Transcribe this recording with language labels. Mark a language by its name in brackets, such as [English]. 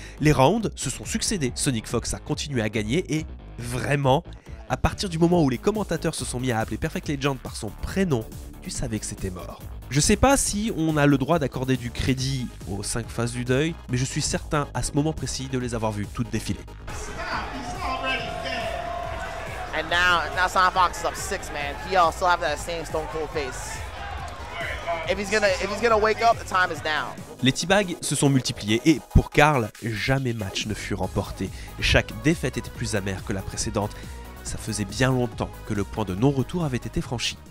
[French] Les rounds se sont succédés. Sonic Fox a continué à gagner et vraiment. À partir du moment où les commentateurs se sont mis à appeler Perfect Legend par son prénom, tu savais que c'était mort. Je sais pas si on a le droit d'accorder du crédit aux 5 phases du deuil, mais je suis certain à ce moment précis de les avoir vues toutes défiler. [English] And now Sonic Fox is up 6, man. He also have that same stone cold face. If he's gonna wake up, the time is now. [French] Les teabags se sont multipliés et pour Carl, jamais match ne fut remporté. Chaque défaite était plus amère que la précédente. Ça faisait bien longtemps que le point de non-retour avait été franchi.